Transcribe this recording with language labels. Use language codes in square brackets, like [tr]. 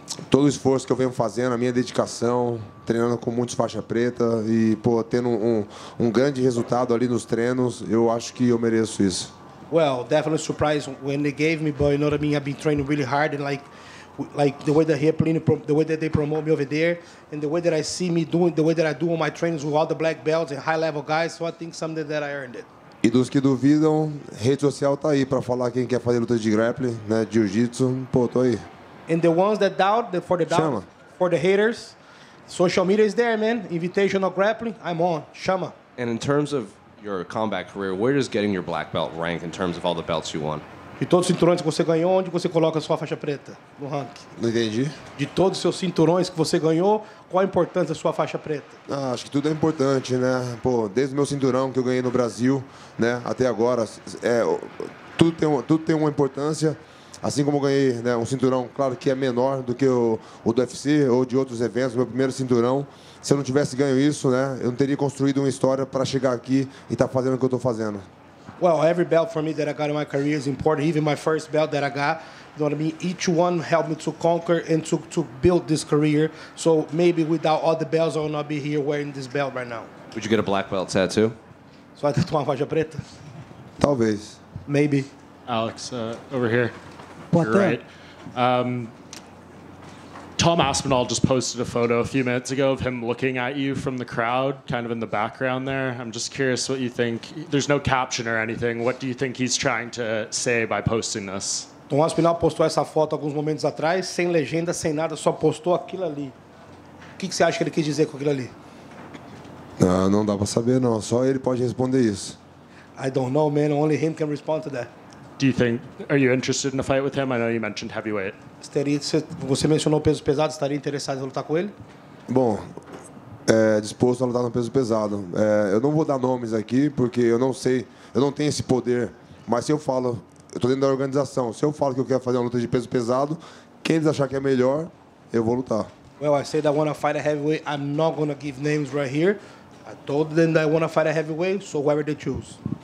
[pt] Todo o esforço que eu venho fazendo, a minha dedicação, treinando com muitos faixa preta e tendo um grande resultado ali nos treinos, eu acho que eu mereço isso. [en] Well, definitely surprised when they gave me, but you know what I mean? I've been training really hard and like the way that he Plínio, the way that they promote me over there, and the way that I see me doing, the way that I do on my trainings with all the black belts and high level guys, so I think something that I earned it. [pt] E dos que duvidam, rede social tá aí para falar quem quer fazer luta de grappling, né, jiu-jitsu, tô aí. [en] And the ones that doubt, for the haters, social media is there, man. Invitation of grappling, I'm on. [pt] Chama. [en] And in terms of your combat career, where does getting your black belt rank in terms of all the belts you won? [pt] De todos os cinturões que você ganhou, onde você coloca a sua faixa preta no ranking? Não entendi. De todos os seus cinturões que você ganhou, qual a importância da sua faixa preta? Ah, acho que tudo é importante, né? Pô, desde o meu cinturão que eu ganhei no Brasil, né, até agora, tudo tem uma importância. Assim como eu ganhei, né, um cinturão, claro que é menor do que o do UFC ou de outros eventos, meu primeiro cinturão. Se eu não tivesse ganho isso, né, eu não teria construído uma história para chegar aqui e estar fazendo o que eu estou fazendo. [en] Well, every belt for me that I got in my career is important. Even my first belt that I got, you know what I mean? Each one helped me to conquer and to build this career. So maybe without all the belts, I would not be here wearing this belt right now. Would you get a black belt tattoo? [pt] So I tatuar uma faixa preta? Talvez. [en] Maybe. Alex, over here. What you're right. Tom Aspinall just posted a photo a few minutes ago of him looking at you from the crowd, kind of in the background there. I'm just curious what you think. There's no caption or anything. What do you think he's trying to say by posting this? [pt] Tom Aspinall postou essa foto alguns momentos atrás, sem legenda, sem nada, só postou aquilo ali. O que você acha que ele quis dizer com aquilo ali? Não dá para saber, não. Só ele pode responder isso. [en] I don't know, man. Only him can respond to that. Do you think, are you interested in a fight with him? I know you mentioned heavyweight. [pt] Você mencionou peso pesado, estaria interessado em lutar com ele? Bom, disposto a lutar no peso pesado. Eu não vou dar nomes aqui, porque eu não sei, eu não tenho esse poder. Mas se eu falo, eu estou dentro da organização, se eu falo que eu quero fazer uma luta de peso pesado, quem eles achar que é melhor, eu vou lutar. [en] Well, I said I want to fight a heavyweight. I'm not going to give names right here. I told them that I want to fight a heavyweight, so whoever they choose.